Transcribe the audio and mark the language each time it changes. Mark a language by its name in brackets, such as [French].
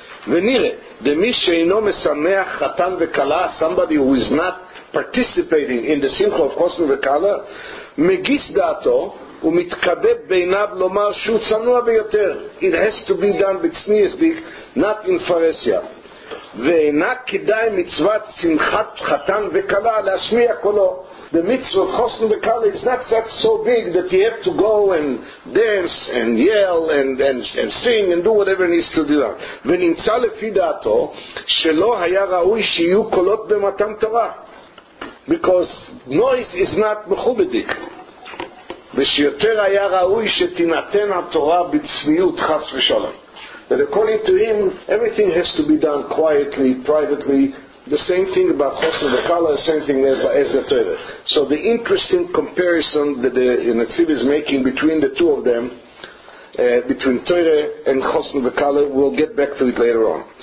[English] Venire, the misheino mesameach chatan vekala, somebody who is not participating in the simcha of chosin vekala, megis dato, [Hebrew] ומתקבב בעיניו לומר שהוא צנוע ביותר. [English] It has to be done with sneezdik, not in פרסיה. [Hebrew] ואינה כדאי מצוות שמחת חתן וקלה להשמיע קולו. [English] The mitzvah of chosen v'kala is not that so big that he have to go and dance and yell and sing and do whatever needs to do. [Hebrew] ונמצא לפי דעתו שלא היה ראוי שיהיו קולות במתן תורה. [English] Because noise is not מכובדיק. [Hebrew] ושיותר היה ראוי שתינתן התורה בצניעות חס ושלום. [English] But according to him, everything has to be done quietly, privately. The same thing about chosen v'kala, the same thing as the Torah. So the interesting comparison that the Netziv is making between the two of them, between Torah and chosen v'kala, we'll get back to it later on.